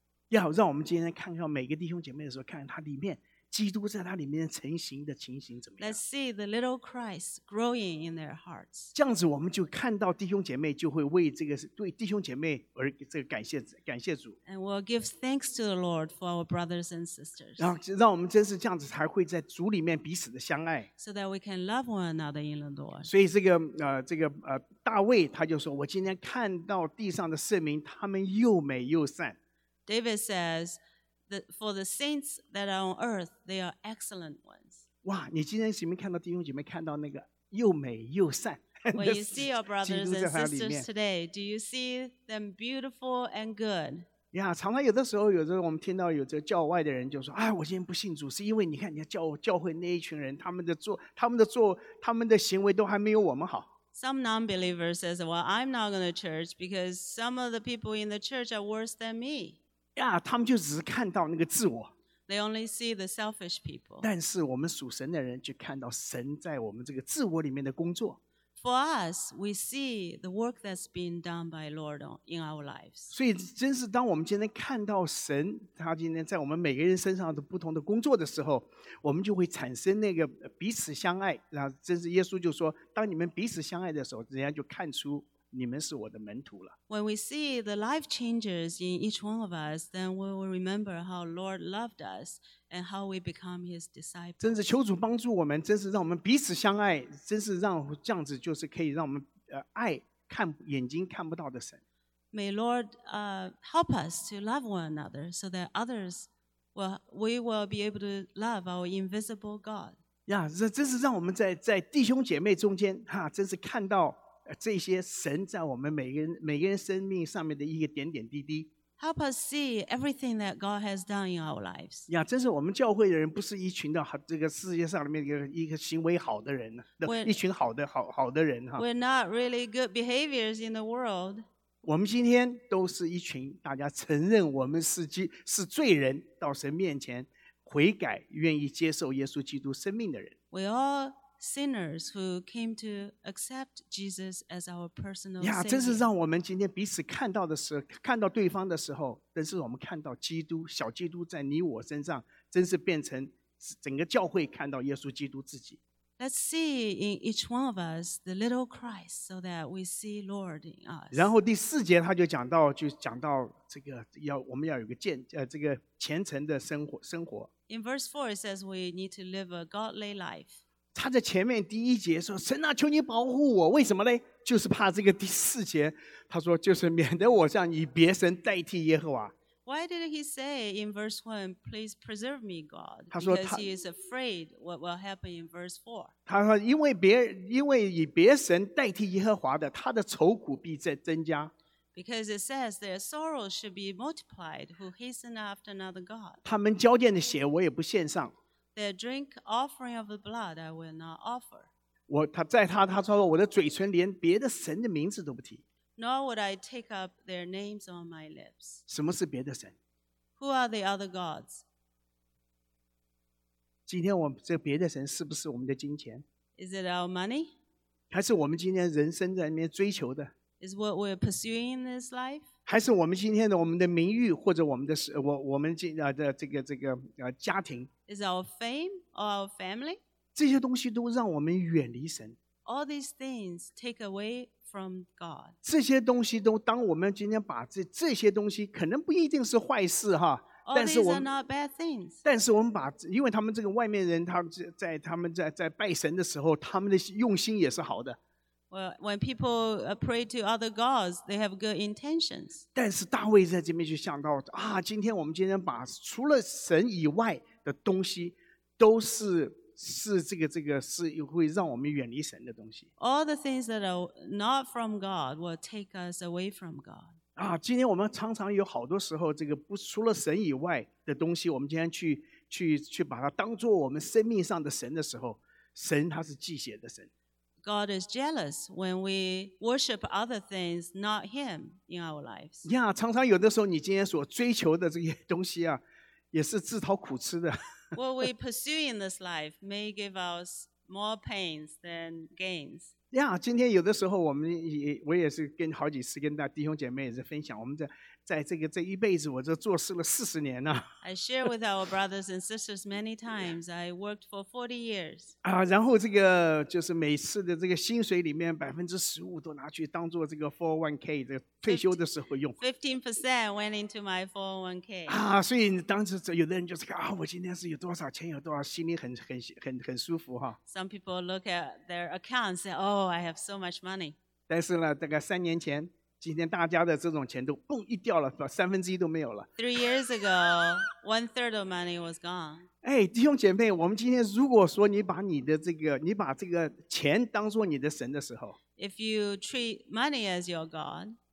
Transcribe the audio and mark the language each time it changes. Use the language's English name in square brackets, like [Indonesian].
[Chinese] 呀，让我们今天看到每个弟兄姐妹的时候，看他里面。基督在他里面成形的情形怎么样 [English] ？Let's see the little Christ growing in their hearts. [Chinese] 这样子我们就看到弟兄姐妹就会为这个对弟兄姐妹而这个感谢主。 [English] And we'll give thanks to the Lord for our brothers and sisters. [Chinese] 然后让我们真是这样子才会在主里面彼此的相爱。 [English] So that we can love one another in the Lord. [Chinese] 所以这个大卫他就说：“我今天看到地上的圣民，他们又美又善。” [English] David says. For the saints that are on earth, they are excellent ones. [Chinese] 哇，你今天前面看到弟兄姐妹看到那个又美又善。 [English] When you see your brothers and sisters today, do you see them beautiful and good? [Chinese] Yeah, 常常有的时候，有的我们听到有这教外的人就说：“哎，我今天不信主，是因为你看你教会那一群人，他们的行为都还没有我们好。” [English] Some non-believers says, "Well, I'm not going to church because some of the people in the church are worse than me." [Chinese] Yeah, 他们就只是看到那个自我。 [English] They only see the selfish people. [Chinese] 但是我们属神的人就看到神在我们这个自我里面的工作。 [English] For us, we see the work that's been done by Lord in our lives. [Chinese] 所以真是当我们今天看到神他今天在我们每个人身上的不同的工作的时候，我们就会产生那个彼此相爱。然后真是耶稣就说，当你们彼此相爱的时候，人家就看出你们是我的门徒了。 [English] When we see the life changes in each one of us, then we will remember how Lord loved us and how we become His disciples. [Chinese] 真是求主帮助我们，真是让我们彼此相爱，真是让这样子就是可以让我们爱看眼睛看不到的神。 [English] May Lord, help us to love one another so that others will we will be able to love our invisible God. [Chinese] 呀，这真是让我们在弟兄姐妹中间哈，真是看到这些神在我们每个人生命上面的一个点点滴滴。 [English] Help us see everything that God has done in our lives. [Chinese] 呀，真是我们教会的人不是一群的这个世界上里面一个行为好的人，一群好的人哈。 [English] We're not really good behaviors in the world. [Chinese] 我们今天都是一群大家承认我们是罪人，到神面前悔改，愿意接受耶稣基督生命的人。 [English] We all sinners who came to accept Jesus as our personal Savior. [Chinese] 真是让我们今天彼此看到的时候，看到对方的时候，真是我们看到基督，小基督在你我身上，真是变成整个教会看到耶稣基督自己。 [English] Let's see in each one of us the little Christ so that we see Lord in us. [Chinese] 然后第四节他就讲到这个要我们要有个见这个虔诚的生活。 [English] In verse 4 it says we need to live a godly life. [Chinese] 他在前面第一节说神啊求你保护我，为什么呢？就是怕这个第四节他说就是免得我像以别神代替耶和华。 [English] Why did he say in verse 1, please preserve me, God? Because he is afraid what will happen in verse 4. [Chinese] 他说因为以别神代替耶和华的，他的愁苦必增加。 [English] Because it says their sorrows should be multiplied who hasten after another God. [Chinese] 他们交奠的血我也不献上。 [English] Their drink offering of the blood I will not offer. [Chinese] 他说我的嘴唇连别的神的名字都不提。 [English] Nor would I take up their names on my lips. [Chinese] 什么是别的神？ [English] Who are the other gods? [Chinese] 今天我们这别的神是不是我们的金钱？ [English] Is it our money? [Chinese] 还是我们今天人生在里面追求的？ [English] Is what we're pursuing in this life? [Chinese] 还是我们今天的我们的名誉或者我们的家庭？ [English] Is our fame or our family? [Chinese] 这些东西都让我们远离神。 [English] All these things take away from God. [Chinese] 这些东西都当我们今天把 这些东西可能不一定是坏事哈，但是我们 [English] All these are not bad things. [Chinese] 但是我们把因为他们这个外面人他们在拜神的时候他们的用心也是好的。 [English] Well, when people pray to other gods, they have good intentions. [Chinese] 但是大卫在这边就想到啊，今天我们今天把除了神以外的东西都是这个是会让我们远离神的东西。 [English] All the things that are not from God will take us away from God. [Chinese] 啊，今天我们常常有好多时候，这个不除了神以外的东西，我们今天去把它当做我们生命上的神的时候，神他是忌邪的神。 [English] God is jealous when we worship other things, not Him, in our lives. [Chinese] 呀，常常有的时候，你今天所追求的这些东西啊，也是自讨苦吃的。 [English] What we pursue in this life may give us more pains than gains. [Chinese] Yeah, 今天有的时候我也是跟好几次跟大弟兄姐妹也是分享，我们在这个这一辈子我就做事了40年了。 [English] I share with our brothers and sisters many times. I worked for 40 years. [Chinese] 啊，然后这个就是每次的这个薪水里面15%都拿去当做这个 401k 的退休的时候用。 [English] 15% went into my 401k. [Chinese] 啊，所以当时有的人就是啊，我今天是有多少钱有多少，心里很舒服哈。 [English] Some people look at their accounts and say, "Oh, I have so much money." [Chinese] 但是呢，大概3年前。今天大家的这种钱都蹦一掉了，1/3都没有了。 [English] 3 years ago, 1/3 of money was gone. [Chinese] 哎，弟兄姐妹，我们今天如果说你把这个钱当做你的神的时候 [English] ，If you treat money as your God,